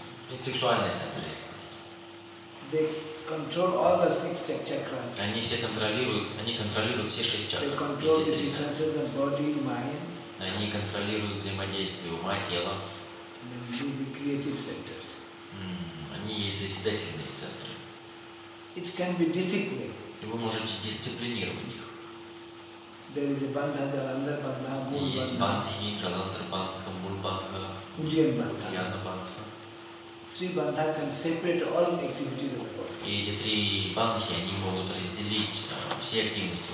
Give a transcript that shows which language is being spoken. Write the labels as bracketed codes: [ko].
[ru] И сексуальный центр есть. [en] They control all the six chakras. [ru] Они все контролируют, все шесть чакр. [en] They control the differences of body, mind. [ru] Они контролируют взаимодействие ума, тела. [en] They should be creative centers. [ru] Они есть созидательные центры. [en] It can be discipline. [ru] И вы можете дисциплинировать их. [en] There is a bandha, jalandhar bandha, mul bandha. [ru] Есть бандхи, jalandhar bandha, mul bandha, [en] ujjain bandha, jnana bandha. Three bandha can separate all activities of the body. [ru] И эти три бандхи, они могут разделить все активности